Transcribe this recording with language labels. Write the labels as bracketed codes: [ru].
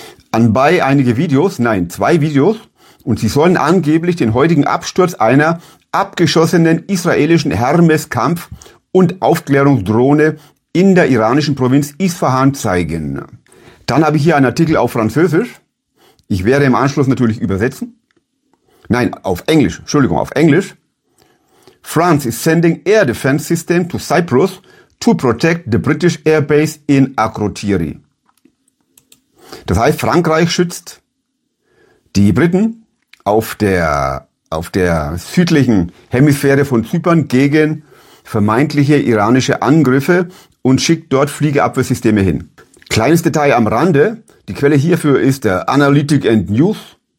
[de] Anbei einige Videos, nein, zwei Videos, und sie sollen angeblich den heutigen Absturz einer abgeschossenen israelischen Hermes-Kampf- und Aufklärungsdrohne in der iranischen Provinz Isfahan zeigen. Dann habe ich hier einen Artikel auf Französisch. Ich werde im Anschluss natürlich übersetzen. Nein, auf Englisch. Entschuldigung, auf Englisch. [en] France is sending air defense system to Cyprus to protect the British airbase in Akrotiri. [de] Das heißt, Frankreich schützt die Briten auf der südlichen Hemisphäre von Zypern gegen vermeintliche iranische Angriffe und schickt dort Fliegerabwehrsysteme hin. Kleines Detail am Rande, die Quelle hierfür ist der Analytic and News.